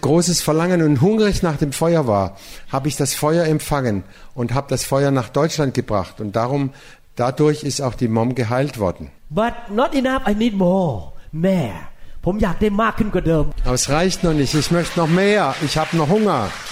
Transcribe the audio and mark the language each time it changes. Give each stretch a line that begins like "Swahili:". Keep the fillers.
German: großes Verlangen und hungrig nach dem Feuer war, habe ich das Feuer empfangen und habe das Feuer nach Deutschland gebracht. Und darum, dadurch ist auch die Mom geheilt worden.
English: But not enough, I need more. More.
German: Aber es reicht noch nicht, ich möchte noch mehr, ich habe noch Hunger.